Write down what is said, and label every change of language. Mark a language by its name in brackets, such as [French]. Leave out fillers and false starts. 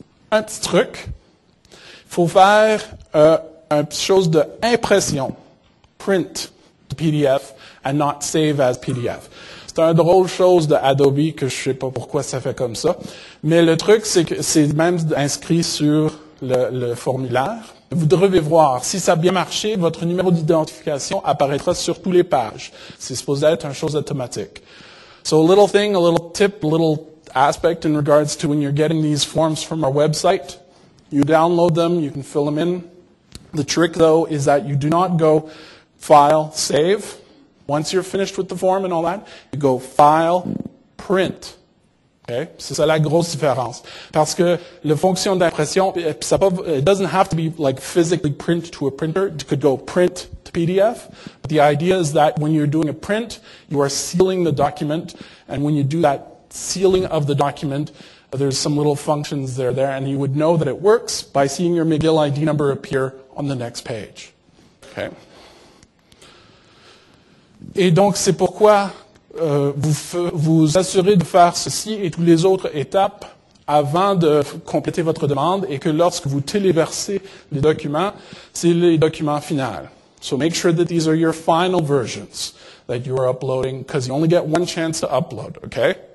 [French] Un petit truc, il faut faire une petite chose d'impression, [English] print the PDF, and not save as PDF. [French] C'est une drôle chose de Adobe que je sais pas pourquoi ça fait comme ça. Mais le truc, c'est que c'est même inscrit sur le formulaire. Vous devez voir. Si ça a bien marché, votre numéro d'identification apparaîtra sur toutes les pages. C'est supposé être une chose automatique. [English] So a little thing, a little tip, a little aspect in regards to when you're getting these forms from our website. You download them, you can fill them in. The trick though is that you do not go file, save. Once you're finished with the form and all that, you go file, print. Okay? [French] C'est ça la grosse différence. Parce que la fonction d'impression, [English] it doesn't have to be like physically print to a printer. It could go print to PDF. But the idea is that when you're doing a print, you are sealing the document. And when you do that sealing of the document, there's some little functions there. And you would know that it works by seeing your McGill ID number appear on the next page. Okay? [French] Et donc, c'est pourquoi vous assurez de faire ceci et toutes les autres étapes avant de compléter votre demande et que lorsque vous téléversez les documents, c'est les documents finaux. [English] So make sure that these are your final versions that you are uploading because you only get one chance to upload, okay?